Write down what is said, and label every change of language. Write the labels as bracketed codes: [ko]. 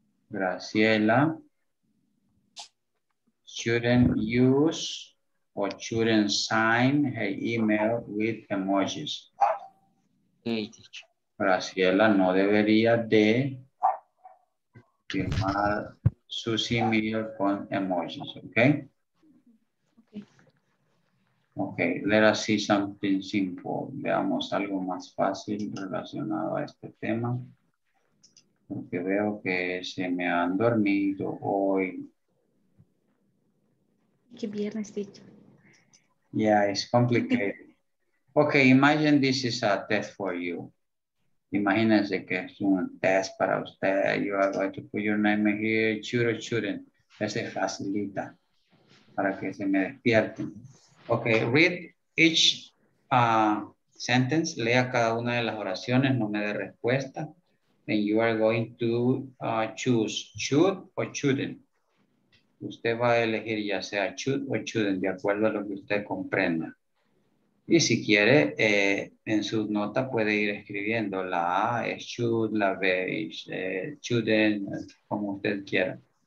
[en] Graciela shouldn't use or shouldn't sign her email with emojis. [es] Graciela no debería de firmar sus emails con emojis, okay? [en] Okay, let us see something simple. [es] Veamos algo más fácil relacionado a este tema. Porque veo que se me han dormido hoy. Qué viernes, teacher. [en] Yeah, it's complicated. Okay, imagine this is a test for you. [es] Imagínense que es un test para usted. [en] You are going to put your name here, should or shouldn't. [es] Ese facilita para que se me despierten. [en] Okay, read each sentence. [es] Lea cada una de las oraciones, no me dé respuesta. [en] And you are going to choose should or shouldn't. [es] Usted va a elegir ya sea should o shouldn't, de acuerdo a lo que usted comprenda. Y si quiere, en su nota puede ir escribiendo la A es should, la B es shouldn't, como usted quiera.